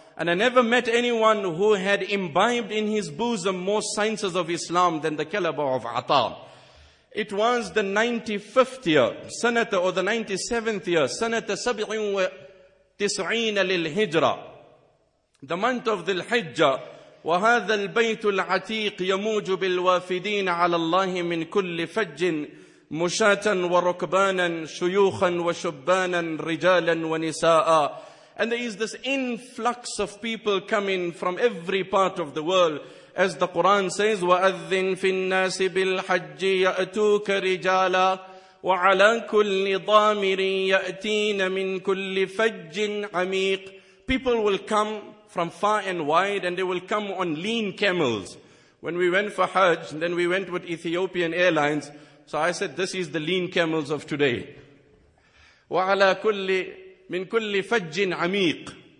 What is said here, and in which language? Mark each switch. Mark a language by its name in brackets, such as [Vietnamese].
[English] And I never met anyone who had imbibed in his bosom more sciences of Islam than the caliber of Ata. It was the 95th year, Sanata, or the 97th year, [Arabic] Sanata Sabi'un wa Tis'een lil Hijra. [English] The month of Dhul Hijjah. [Arabic] وهذا البيت العتيق يموج بالوافدين على الله من كل فج مشاة وركبانا شيوخا وشبانا رجالا ونساء. [English] And there is this influx of people coming from every part of the world. As the Quran says, [Arabic] وَأَذِّنْ فِي النَّاسِ بِالْحَجِّ يَأْتُوكَ رِجَالًا وَعَلَى كُلِّ ضَامِرٍ يَأْتِينَ مِنْ كُلِّ فَجٍّ عَمِيقٍ. [English] People will come from far and wide, and they will come on lean camels. When we went for Hajj, then we went with Ethiopian Airlines. So I said, this is the lean camels of today. [Arabic] وَعَلَى كُلِّ مِن كُلِّ فَجٍّ عَمِيقٍ.